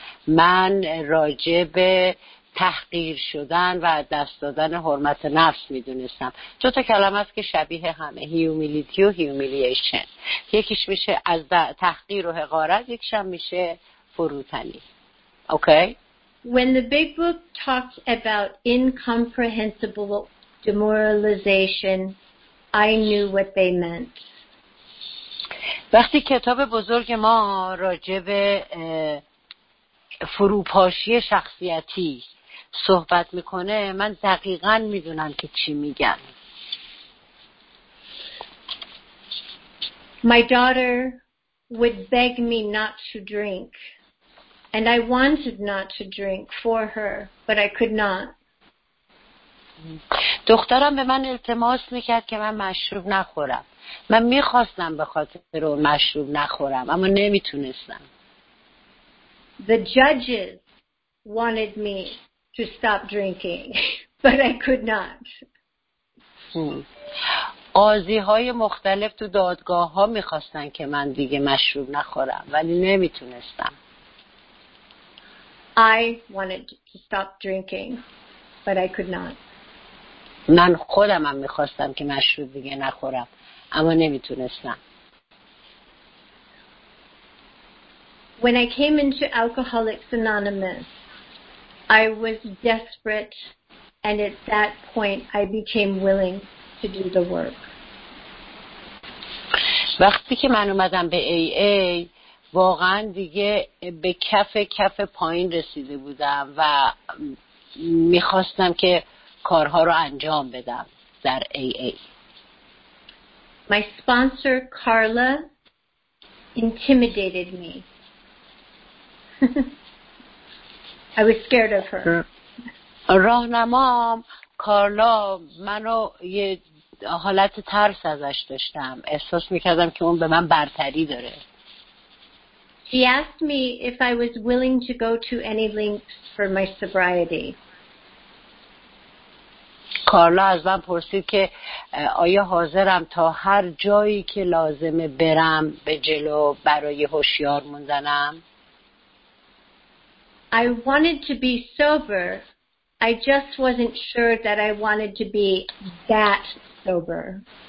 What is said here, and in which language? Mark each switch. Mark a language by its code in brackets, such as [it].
[fa] من راجع به تحقیر شدن و دست دادن حرمت نفس میدونستم. دو تا کلمه است که شبیه همه، humility و humiliation. یکیش میشه از تحقیر و حقارت، یکیش هم میشه فروتنی. [en] Okay. When the big book talks about incomprehensible demoralization, I knew what they meant. [fa] وقتی کتاب بزرگ ما راجع به فروپاشی شخصیتی صحبت میکنه، من دقیقا میدونم که چی میگن. [en] My daughter would beg me not to drink. And I wanted not to drink for her, but I could not. [fa] دخترم به من التماس میکرد که من مشروب نخورم. من میخواستم به خاطر اون مشروب نخورم، اما نمیتونستم. [en] The judges wanted me to stop drinking, but I could not. [fa] قاضی‌های مختلف تو دادگاه‌ها میخواستن که من دیگه مشروب نخورم، ولی نمیتونستم. [en] I wanted to stop drinking, but I could not. [fa] من خودم هم میخواستم که مشروب دیگه نخورم، اما نمیتونستم. [en] When I came into Alcoholics Anonymous, I was desperate, and at that point I became willing to do the work. [fa] وقتی که من اومدم به AA، واقعا دیگه به کف پایین رسیده بودم و میخواستم که کارها رو انجام بدم در AA. [en] My sponsor Carla intimidated me. I was scared of her. [fa] راهنمام کارلا منو یه حالت ترس ازش داشتم. احساس میکردم که اون به من برتری داره. [en] She asked me if I was willing to go to any lengths for my sobriety. [fa] کارلا از من پرسید که آیا حاضرم تا هر جایی که لازمه برم به جلو برای هوشیار موندنم. [en] I wanted to be sober. I just wasn't sure that I wanted to be that sober.